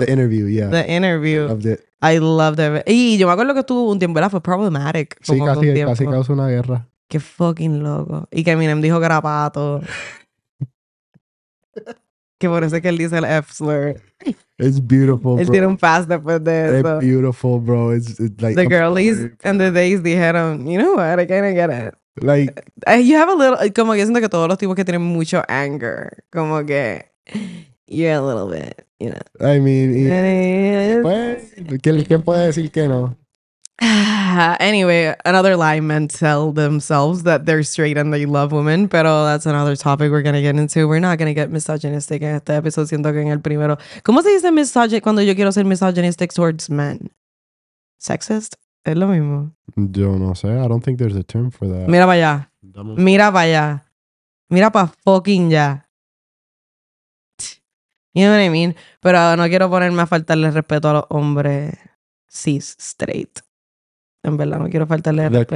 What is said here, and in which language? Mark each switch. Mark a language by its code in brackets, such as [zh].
[en] The Interview. I loved it. [es] Y yo me acuerdo que estuvo un tiempo, ¿verdad? Fue problematic. Sí, casi causó una guerra. Qué fucking loco. Y que Eminem dijo garapato. Que por eso es que él dice el F-slur. [en] It's beautiful, [es] él Él tiene un pass después de eso. [en] It's beautiful, bro. It's like the girlies and the days dijeron, you know what, I kinda get it. Like, you have a little, [es] como que siento que todos los tipos que tienen mucho anger, como que, [en] you're a little bit, you know. [es] I mean, pues, ¿quién puede decir que no? [en] Anyway, another lie men tell themselves that they're straight and they love women, pero that's another topic we're gonna get into. We're not gonna get misogynistic [es] en este episodio, siento que en el primero. ¿Cómo se dice misogynistic cuando yo quiero ser misogynistic [en] towards men? [es] Sexist? Es lo mismo. Yo no sé. [en] I don't think there's a term for that. [es] Mira para allá. Mira para allá. Mira para fucking ya. [en] You know what I mean? [es] Pero no quiero ponerme a faltarle respeto a los hombres cis, straight. En verdad, no quiero faltarle respeto.